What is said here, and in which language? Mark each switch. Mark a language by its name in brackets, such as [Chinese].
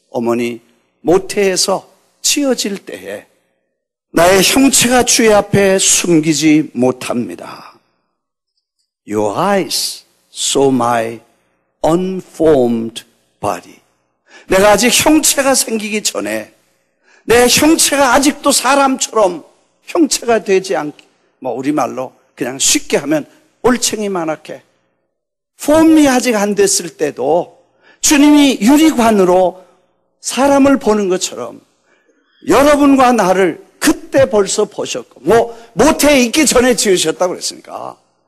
[Korean] 어머니 모태에서 지어질 때에 나의 형체가 주의 앞에 숨기지 못합니다. [English] Your eyes saw my unformed body. [Korean] 내가 아직 형체가 생기기 전에 내 형체가 아직도 사람처럼 형체가 되지 않게, 뭐 우리말로 그냥 쉽게 하면 올챙이 만하게 폼이 아직 안 됐을 때도 주님이 유리관으로 사람을 보는 것처럼 여러분과 나를 그때 벌써 보셨고, 뭐 모태에 있기 전에 지으셨다고 그랬으니까